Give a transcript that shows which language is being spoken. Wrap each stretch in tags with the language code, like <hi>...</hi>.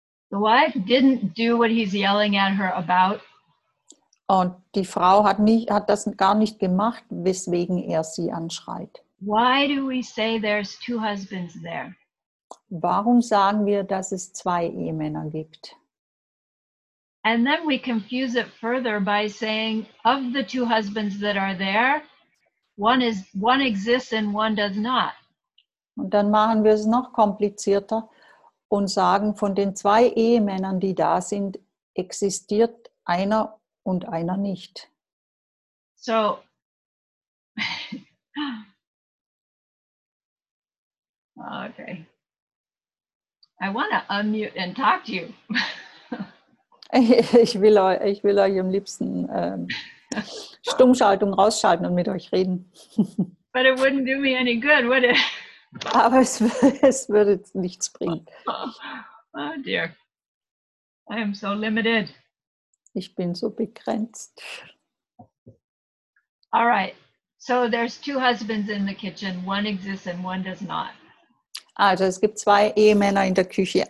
<en>The wife didn't do what he's yelling at her about.</en> <de>Und die Frau hat das gar nicht gemacht, weswegen er sie anschreit.</de> <en>Why do we say there's two husbands there?</en> <de>Warum sagen wir, dass es zwei Ehemänner gibt?</de> <en>And then we confuse it further by saying, of the two husbands that are there, one exists and one does not.</en> <de>Und dann machen wir es noch komplizierter und sagen, von den zwei Ehemännern, die da sind, existiert einer und einer nicht.</de> <en>So, okay. I want to unmute and talk to you.</en> <de>Ich will euch am liebsten Stummschaltung rausschalten und mit euch reden.</de> <en>But it wouldn't do me any good, would it?</en> <de>Aber es würde nichts bringen.</de> <en>Oh dear, I am so limited.</en> <de>Ich bin so begrenzt.</de> <en>All right, so there's two husbands in the kitchen. One exists and one does not.</en> <de>Also es gibt zwei Ehemänner in der Küche.</de>